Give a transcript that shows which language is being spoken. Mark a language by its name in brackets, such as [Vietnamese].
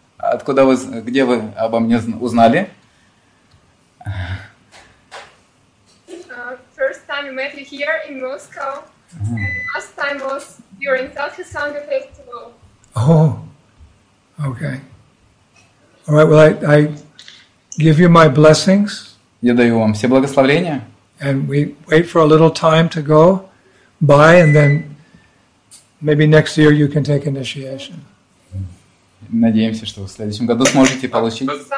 [Russian] Откуда вы, где вы обо мне узнали? [English] First time we met you here in Moscow. Uh-huh. Last time was during Sakya Sangha Festival. Oh, okay. All right, well, I give you my blessings. [Russian] Я даю вам все благословения. [English] And we wait for a little time to go by, and then maybe next year you can take initiation. [Russian] Надеемся, что вы в следующем году сможете получить.